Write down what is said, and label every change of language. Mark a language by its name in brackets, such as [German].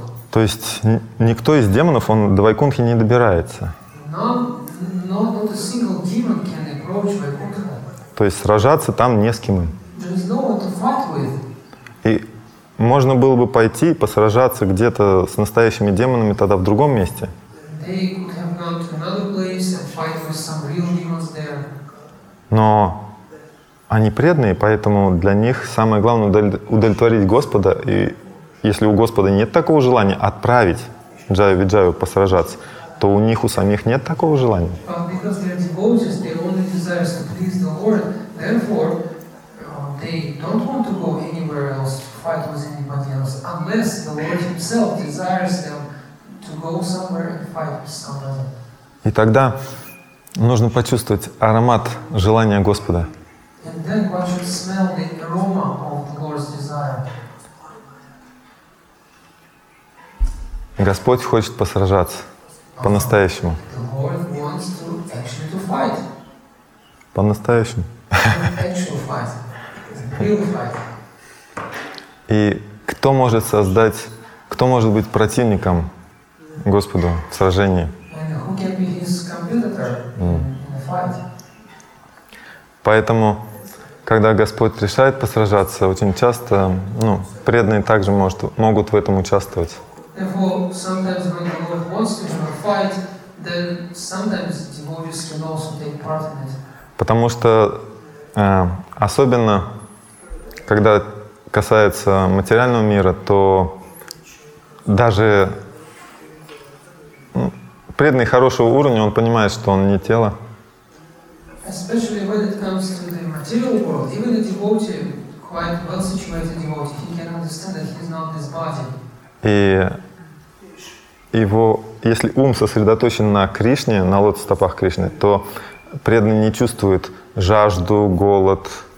[Russian] То есть никто из демонов, он до Вайкунтхи не добирается. [English] Not a single demon can approach Vaikuntha. [Russian] То есть сражаться там не с кем им. [English] There is no one to fight with. [Russian] И можно было бы пойти и посражаться где-то с настоящими демонами тогда в другом месте. [English] They could have gone to another place and fight with some real demons there. [Russian] Но они преданные, поэтому для них самое главное удовлетворить Господа. И если у Господа нет такого желания отправить Джаю Виджаю посражаться, то у них у самих нет такого желания. [English] But to go somewhere and fight with someone. [Russian] И тогда нужно почувствовать аромат желания Господа. [English] And then one should smell the aroma of the Lord's desire. [Russian] Господь хочет посражаться по-настоящему. [English] The Lord wants to actually to fight. [Russian] По-настоящему. [English] Actual fight. Real fight. [Russian] И кто может создать, кто может быть противником Господу в сражении? [English] And who can be his competitor in a fight? [Russian] Поэтому, когда Господь решает посражаться, очень часто, ну, преданные также могут в этом участвовать. [English] Therefore, sometimes when the Lord wants to have a fight, then sometimes devotees can also take part in it. [Russian] Потому что особенно когда касается материального мира, то даже преданный хорошего уровня, он понимает, что он не тело. [English] Especially when it comes to the material world, even a devotee, quite well-situated devotee, he can understand that he's not this body. [Russian] И его, если ум сосредоточен на Кришне, на лотос-стопах Кришны, то преданный не чувствует жажду, голод,